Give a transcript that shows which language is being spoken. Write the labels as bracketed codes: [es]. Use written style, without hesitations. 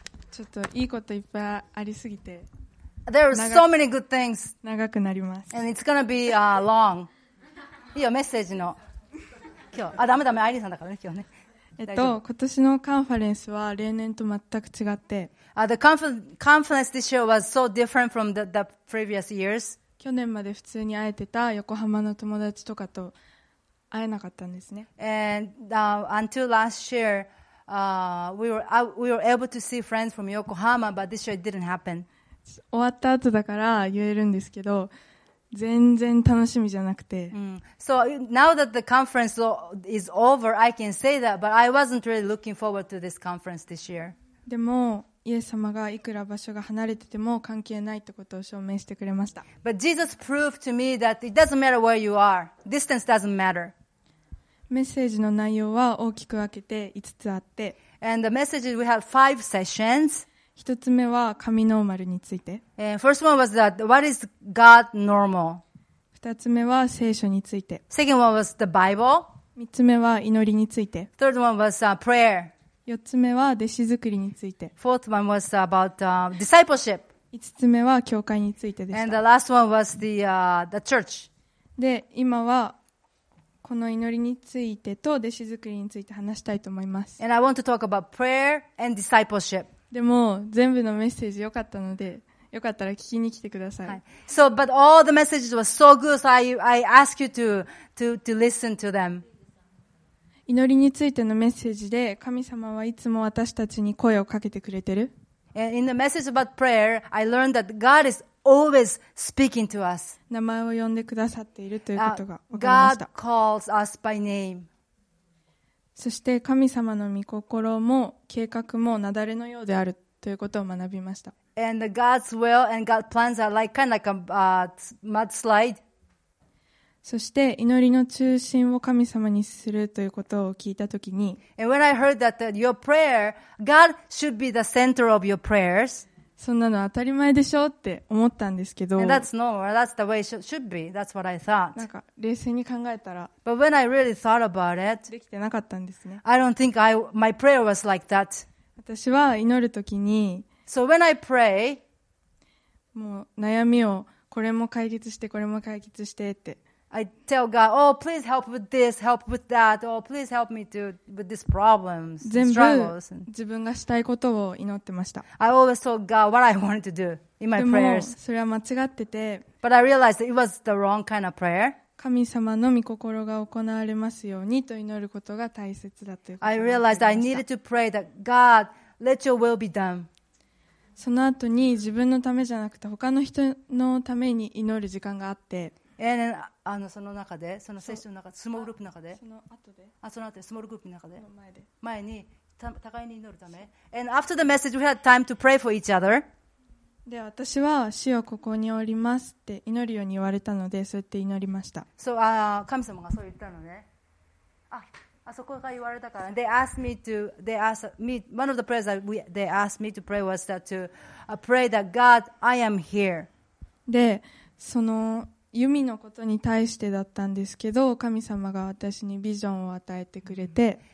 [ja] ちょっといいこといっぱいありすぎて、 [en] There are so many good things. [ja] 長くなります。 [en] And it's gonna be long. [ja] いいよメッセージの今日。あ、ダメダメ、アイリーさんだからね今日ね。今年のカンファレンスは例年と全く違って、 [en] The conference this year was so different from the previous years. [ja] 去年まで普通に会えてた横浜の友達とかと会えなかったんですね。 [en] And until last year, we were able to see friends from Yokohama, but this year it didn't happen. [ja] 終わった後だから言えるんですけど、全然楽しみじゃなくて。 [en] So now that the conference is over, I can say that, but I wasn't really looking forward to this conference this year. [ja] でも、イエス様がいくら場所が離れてても関係ないってことを証明してくれました。 [en] But Jesus proved to me that it doesn't matter where you are. Distance doesn't matter. [ja] メッセージの内容は大きく分けて5つあって。 [en] And the message is we have 5 sessions. [ja] 一つ目は神ノーマルについて。 [en] First one was that, what is God normal? [ja] 二つ目は聖書について。 [en] Second one was the Bible. [ja] 三つ目は祈りについて。 [en] Third one was prayer. [ja] 四つ目は弟子作りについて。 [en] Fourth one was about discipleship. [ja] 五つ目は教会についてでした。 [en] And the last one was the church. [ja] で、今はこの祈りについてと弟子作りについて話したいと思います。 [en] And I want to talk about prayer and discipleship. [ja] でも全部のメッセージ良かったので、よかったら聞きに来てください。はい、 [en] so, but all the messages were so good, so I ask you to listen to them. [ja] 祈りについてのメッセージで、神様はいつも私たちに声をかけてくれてる。 [en] And in the message about prayer, I learned that God is always speaking to us. [ja] 名前を呼んでくださっているということが分かりました。 [en] God calls us by name. [ja] そして神様の御心も計画も雪崩のようであるということを学びました。 [en] And God's will and God's plans are like kind of like a mudslide. [ja] そして祈りの中心を神様にするということを聞いたときに、 [en] And when I heard that your prayer, God should be the center of your prayers. [ja] そんなの当たり前でしょって思ったんですけど、 [en] And that's normal. That's the way it should be. That's what I thought. [ja] なんか冷静に考えたら、 [en] But when I really thought about it, [ja] できてなかったんですね。 [en] I don't think my prayer was like that. [ja] 私は祈るときに、 [en] So when I pray, [ja] もう悩みをこれも解決してこれも解決してって、 [en] I tell God, oh, please help with this, help with that, oh, please help me to, with these problems, struggles. [ja] 全部自分がしたいことを祈ってました。 [en] I always told God what I wanted to do in my prayers. [ja] でもそれは間違ってて、 [en] But I realized that it was the wrong kind of prayer. [ja] 神様の御心が行われますようにと祈ることが大切だということ [en] 。I realized I needed to pray that God, let your will be done. [ja] その後に自分のためじゃなくて他の人のために祈る時間があって、その中で、そのセッションの中で、スモールグループの中で、その後で、その後でスモールグループの中で、その前で、前に互いに祈るため、 [en] And after the message, we had time to pray for each other. [ja] で、私は主よここにおりますって祈るように言われたので、そうやって祈りました。 So, 神様がそう言ったのね。あそこが言われたから、ね、 [en] one of the prayers that they asked me to pray was that to pray that God, I am here. [ja] で、その由美のことに対してだったんですけど、神様が私にビジョンを与えてくれて、